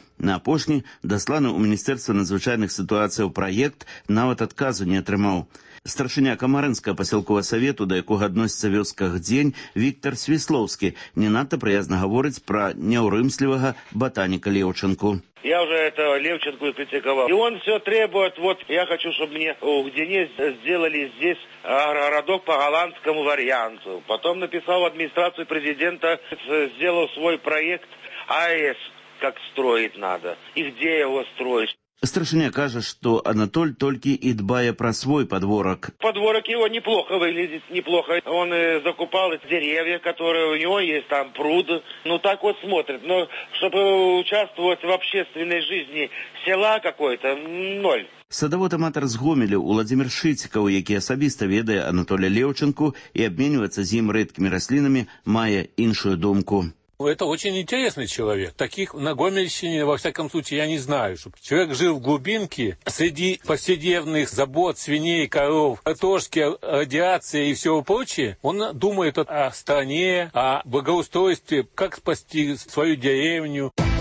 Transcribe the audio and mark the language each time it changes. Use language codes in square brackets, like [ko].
[be] На апошні дасланы ў Міністэрства надзвычайных сітуацыяў праект нават адказу не атрымаў. Старшыня Камарынскага пасялковага савету, да якога адносіцца вёска Гдзень, Віктар Свіслоўскі, не надта прыязна гаворыць пра няўрымслівага батаніка Леўчынку. [ru] Я уже этого Левченко и критиковал. И он все требует, вот я хочу, чтобы мне у Гдене сделали здесь городок по голландскому варианту. Потом написал в администрацию президента, сделал свой проект АЭС, как строить надо и где его строить. [be] Старшыня кажа, што Анатоль толькі і дбае пра свой падворак. [ru] Падворак яго неплохо выглядіць, неплохо. Он закупал деревья, которые у него есть, там пруд. Ну так вот смотрит. Но чтобы участвовать в общественной жизни села какой-то, ноль. [be] Садавод-аматар з Гомеля Уладзімір Шыцікаў, які асабіста ведае Анатоля Леўчынку і абменьваецца з ім рэдкімі раслінамі, мае іншую думку. [ru] Это очень интересный человек. Таких на Гомельщине, во всяком случае, я не знаю, чтобы человек жил в глубинке среди повседневных забот, свиней, коров, картошки, радиации и всего прочее. Он думает о стране, о благоустройстве, как спасти свою деревню.